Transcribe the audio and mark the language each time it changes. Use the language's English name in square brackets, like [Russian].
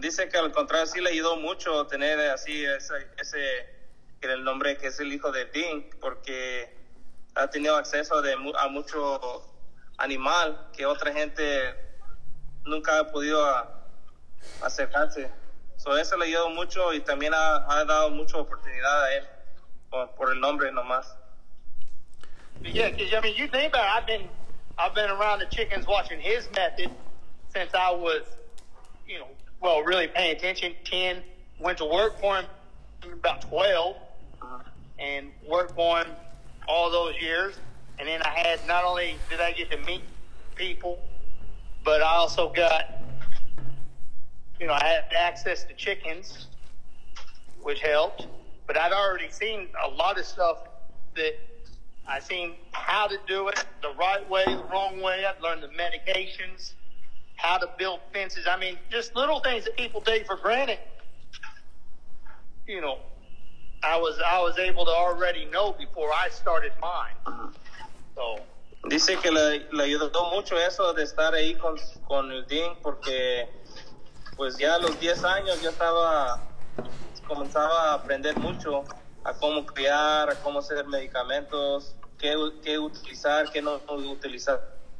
[Spanish] Dice que al contrario, sí le ayudó mucho tener así ese que el nombre, que es el hijo de Dink, porque ha tenido acceso a mucho animal que otra gente nunca ha podido acercarse. So eso le ayudó mucho, y también ha dado mucha oportunidad a él por el nombre nomás. [English] But yeah, because I mean, you think about it, I've been around the chickens watching his method since I was, you know, well, really paying attention, 10, went to work for him about 12, and worked for him all those years. And then I had, not only did I get to meet people, but I also got, you know, I had access to chickens, which helped. But I'd already seen a lot of stuff that I seen how to do it the right way, the wrong way. I'd learned the medications, how to build fences. I mean, just little things that people take for granted. You know, I was able to already know before I started mine. So. [Spanish] Dice que le ayudó mucho eso de estar ahí con el Dean, porque pues ya a los 10 años ya estaba, comenzaba a aprender mucho a cómo criar, a cómo hacer medicamentos, qué utilizar, qué no utilizar.